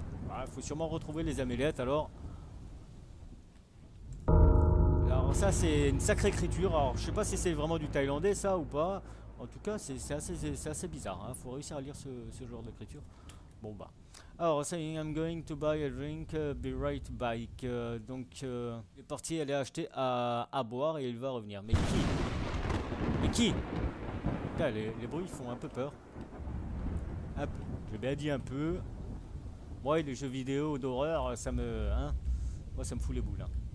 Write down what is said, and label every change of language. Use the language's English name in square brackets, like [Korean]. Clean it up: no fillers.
[French] Ah, faut sûrement retrouver les amulettes alors. Alors ça c'est une sacrée écriture, alors je sais pas si c'est vraiment du thaïlandais ça ou pas. En tout cas c'est assez bizarre, hein. Faut réussir à lire ce genre d'écriture. Bon bah. [English] Alors saying I'm going to buy a drink, be right back. [French] Il est parti aller acheter à boire et il va revenir. Mais qui? Putain, les bruits font un peu peur. Hop, j'ai bien dit un peu. Ouais, les jeux vidéo d'horreur, ça me... Hein, moi, ça me fout les boules. Hein.